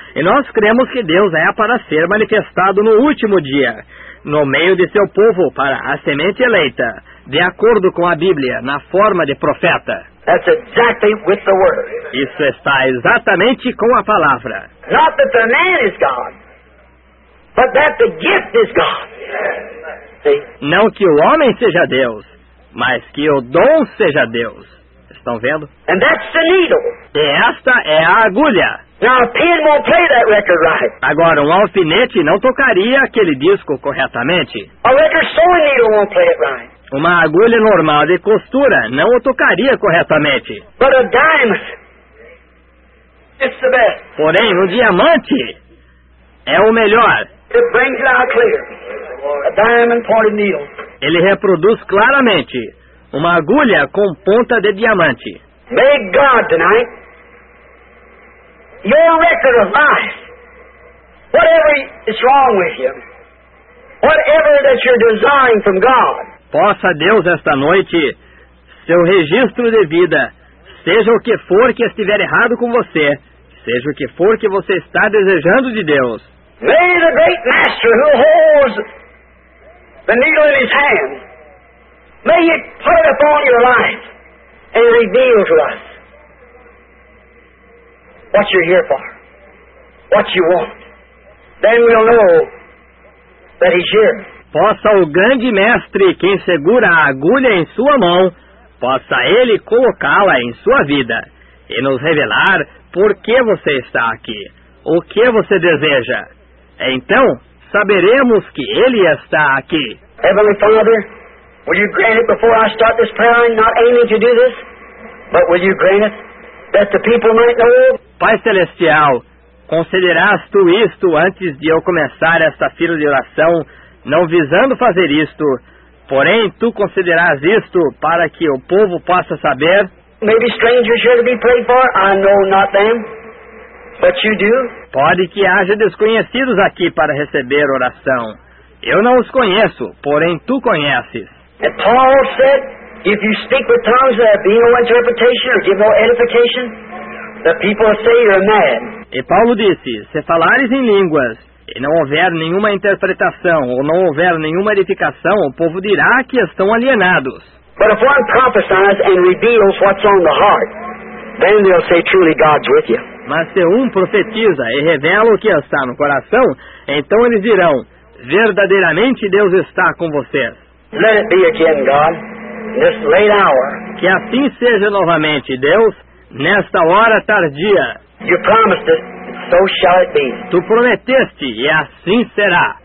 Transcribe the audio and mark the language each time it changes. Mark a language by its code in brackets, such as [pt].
[pt] E nós cremos que Deus é para ser manifestado no último dia, no meio de seu povo, para a semente eleita, de acordo com a Bíblia, na forma de profeta. [en] That's exactly with the word. [pt] Isso está exatamente com a palavra. [en] Not that the man is God, but that the gift is God. See? [pt] Não que o homem seja Deus, mas que o dom seja Deus. Estão vendo? [en] And that's the needle. [pt] E esta é a agulha. [en] Now, a pen won't play that record right. [pt] Agora, um alfinete não tocaria aquele disco corretamente. [en] A record sewing needle won't play it right. [pt] Uma agulha normal de costura não o tocaria corretamente. [en] But a diamond, it's the best. [pt] Porém, um diamante é o melhor. [en] It brings it out clear. A diamond pointed needle. [pt] Ele reproduz claramente uma agulha com ponta de diamante. [en] May God tonight, your record of life, whatever is wrong with you, whatever that you're desiring from God, [pt] possa Deus esta noite, seu registro de vida, seja o que for que estiver errado com você, seja o que for que você está desejando de Deus. [en] May the great master who holds the needle in his hand, may it put upon your life and reveal to us what you're here for, what you want. Then we'll know that he's here. [pt] Possa o grande mestre, quem segura a agulha em sua mão, possa ele colocá-la em sua vida e nos revelar por que você está aqui, o que você deseja. Então, saberemos que ele está aqui. [en] Heavenly Father, will you grant it before I start this prayer, I'm not aiming to do this, but will you grant it that the people might know? [pt] Pai Celestial, concederás tu isto antes de eu começar esta fila de oração, não visando fazer isto, porém tu considerarás isto para que o povo possa saber. [en] Maybe strangers here to be prayed for, I know not them, but you do. [pt] Pode que haja desconhecidos aqui para receber oração. Eu não os conheço, porém tu conheces. [en] And Paul said, if you speak with tongues that be no interpretation or give no edification, the people say you're mad. [pt] E Paulo disse, se falares em línguas e não houver nenhuma interpretação, ou não houver nenhuma edificação, o povo dirá que estão alienados. [en] But if one prophesies and reveals what's on the heart, then they'll say truly God's with you. [pt] Mas se um profetiza e revela o que está no coração, então eles dirão, verdadeiramente Deus está com vocês. [en] Let it be again, God, in this late hour. [pt] Que assim seja novamente, Deus, nesta hora tardia. [en] You promised it. So shall it be. [pt] Tu prometeste, e assim será.